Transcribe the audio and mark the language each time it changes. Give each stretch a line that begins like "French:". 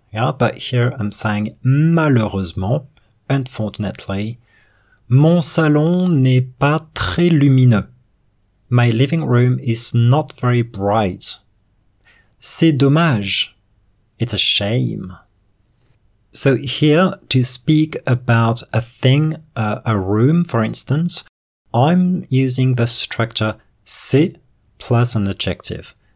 English: Yeah, but here I'm saying malheureusement, unfortunately.
French: Mon salon n'est pas très lumineux.
English: My living room is not very bright.
French: C'est dommage.
English: It's a shame. So here, to speak about a thing, a room, for instance, I'm using the structure c'est plus an adjective.